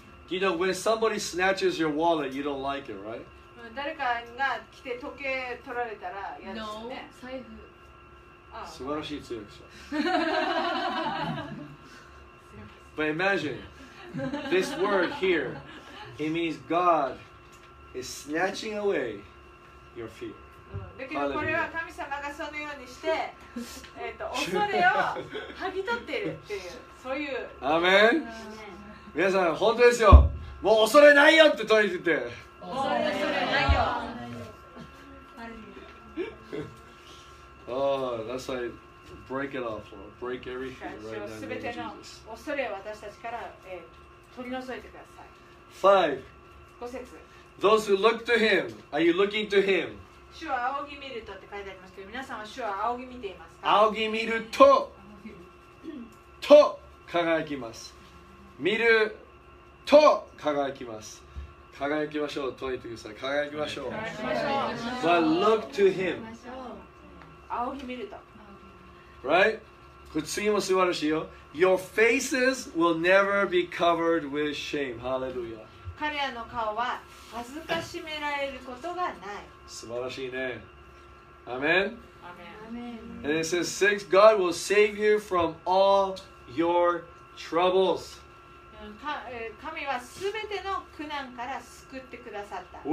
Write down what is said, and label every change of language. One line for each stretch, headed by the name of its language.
English: You know, when somebody snatches your wallet, you don't like it, right?
Japanese: 誰かが来て時計取られたら嫌ですね。 No, 財布。素晴らしい通訳者。
English: But imagine this word here. It means God is snatching away your fear.
Japanese: だけどこれは神様がそのようにして、恐れを剥ぎ取っているっていうそういう。アーメン。皆さん本当ですよ。もう恐れないよって言ってて。恐れないよ。
English: Oh, that's why break it off, Lord. Break everything right now.
Japanese: Jesus. 全ての恐れを私たちから、取り除いてください。
English: Five.
Japanese: 五節。
English: Those who look to him, are you looking to him?
Japanese: 主を仰ぎ見るとって書いてありますけど、皆さんは主を仰ぎ見ていますか？仰ぎ見ると、と輝きます。見ると輝きます。輝きましょう。と言ってください。輝きましょう。輝きましょう。
English: But look to him.
Japanese: 仰ぎ見ると
English: Right?
Japanese: 次も素晴らしいよ
English: Your faces will never be covered with shame Hallelujah
Japanese: 彼らの顔は恥ずかしめられることがない素晴らしいね Amen?
English: Amen And it says 6 God will save you from all your troubles
Japanese: 神はすべての苦難から救ってくださった